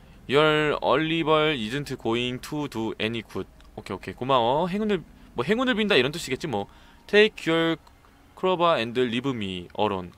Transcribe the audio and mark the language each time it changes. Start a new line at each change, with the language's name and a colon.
English: Your early bird isn't going to do any good.
Korean: 오케이, 오케이. 고마워. 행운을, 뭐, 행운을 빈다 이런 뜻이겠지, 뭐.
English: Take your crowbar and leave me alone.